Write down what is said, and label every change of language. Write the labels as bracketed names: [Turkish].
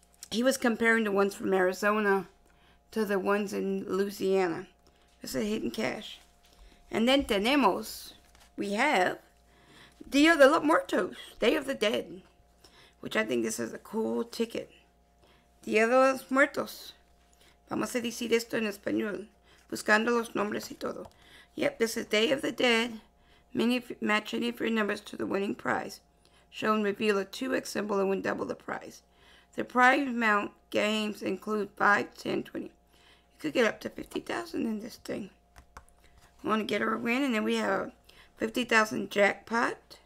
[English] He was comparing the ones from Arizona to the ones in Louisiana. It's a hidden cash. And then tenemos, we have Dia de los Muertos, Day of the Dead, which I think this is a cool ticket. [Spanish] Dia de los Muertos. Vamos a decir esto en español. Buscando los nombres y todo. [English] Yep, this is Day of the Dead, Match any of your numbers to the winning prize. Show and reveal a 2x symbol and win double the prize. The prize amount games include 5, 10, 20. You could get up to 50,000 in this thing. We want to get her a win, and then we have a 50,000 jackpot.